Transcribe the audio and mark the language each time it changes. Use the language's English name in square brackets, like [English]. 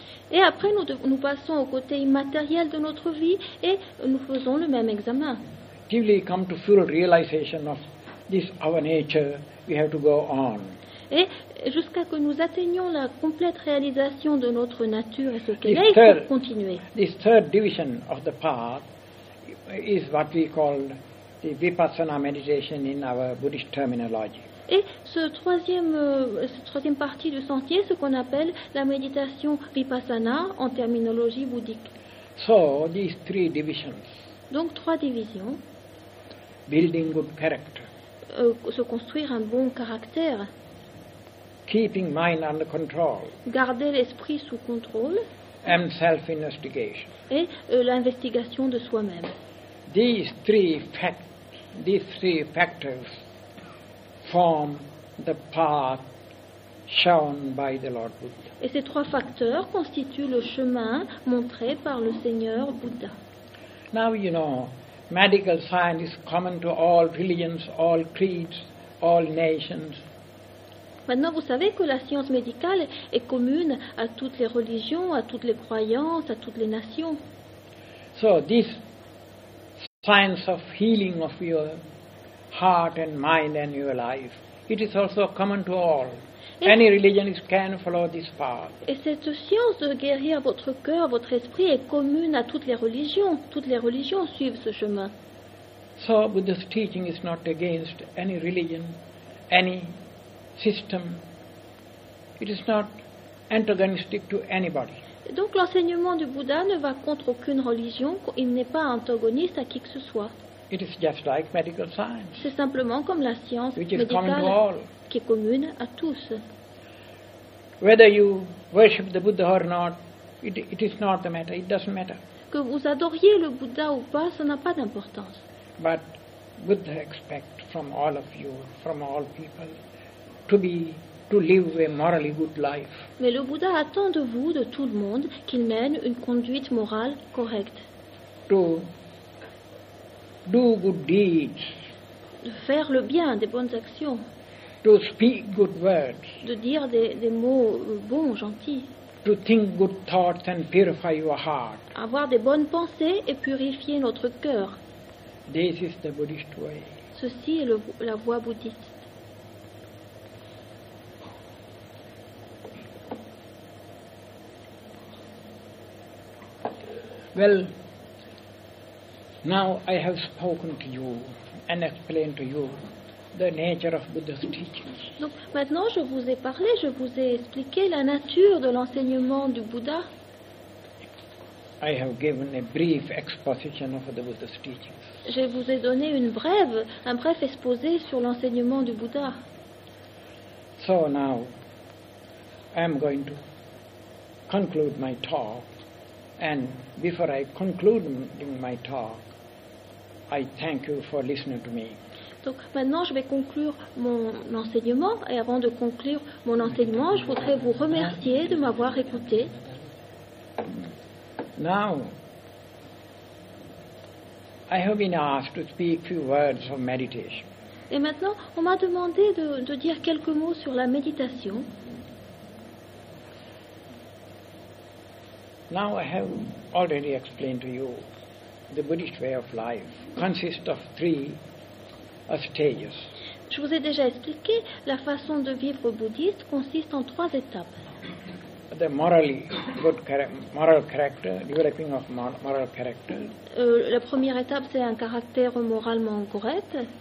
[French] Et après nous passons au côté immatériel de notre vie et nous faisons le même examen. [English] Till we come to full realization of this our nature, we have to go on. [French] Et jusqu'à ce que nous atteignions la complète réalisation de notre nature et ce qu'elle est, il faut continuer. [English] This third division of the path is what we call the vipassana meditation in our Buddhist terminology. [French] Et cette troisième partie du sentier, ce qu'on appelle la méditation vipassana en terminologie bouddhique. [English] So these three divisions. [French] Donc trois divisions. [English] Building good character. [French] Se construire un bon caractère. [English] Keeping mind under control. [French] Garder l'esprit sous contrôle. [English] And self-investigation. [French] Et l'investigation de soi-même. [English] These three factors form the path shown by the Lord Buddha. [French] Et ces trois facteurs constituent le chemin montré par le Seigneur Bouddha. [English] Now you know, medical science is common to all religions, all creeds, all nations. [French] Maintenant, vous savez que la science médicale est commune à toutes les religions, à toutes les croyances, à toutes les nations. [English] So, this science of healing of your heart and mind and your life It is also common to all. Any religion can follow this path. [French] Et cette science de guérir votre cœur, votre esprit est commune à toutes les religions. Toutes les religions suivent ce chemin. [English] So Buddha's teaching is not against any religion, any system. It is not antagonistic to anybody. [French] Donc l'enseignement du Bouddha ne va contre aucune religion, il n'est pas antagoniste à qui que ce soit. [English] It is just like medical science. [French] C'est simplement comme la science [English] which [French] médicale [English] is common to all. [French] Qui est commune à tous. [English] Whether you worship the Buddha or not, it is not the matter. It doesn't matter. [French] Que vous adoriez le Bouddha ou pas, ça n'a pas d'importance. [English] But Buddha expects from all of you, from all people, to live a morally good life. [French] Mais le Bouddha attend de vous, de tout le monde, qu'il mène une conduite morale correcte. [English] To do good deeds. [French] De faire le bien, des bonnes actions. [English] To speak good words. [French] De dire des mots bons, gentils. [English] To think good thoughts and purify your heart. [French] Avoir des bonnes pensées et purifier notre cœur. [English] This is the Buddhist way. [French] Ceci est la voie bouddhiste. [English] Well, now I have spoken to you and explained to you the nature of Buddha's teachings. [French] Donc maintenant je vous ai parlé, je vous ai expliqué la nature de l'enseignement du Bouddha. [English] I have given a brief exposition of the Buddha's teachings. [French] Je vous ai donné un bref exposé sur l'enseignement du Bouddha. [English] So now I am going to conclude my talk. And before I conclude my talk, I thank you for listening to me. [French] Donc maintenant, je vais conclure mon enseignement. Et avant de conclure mon enseignement, je voudrais vous remercier de m'avoir écouté. [English] Now, I have been asked to speak a few words of meditation. [French] Et maintenant, on m'a demandé de dire quelques mots sur la méditation. [English] Now I have already explained to you the Buddhist way of life consists of three stages. [French] Je vous ai déjà expliqué la façon de vivre bouddhiste consiste en trois étapes. [English] The morally good moral character, developing of moral character. [French] La première étape c'est un caractère moralement correct.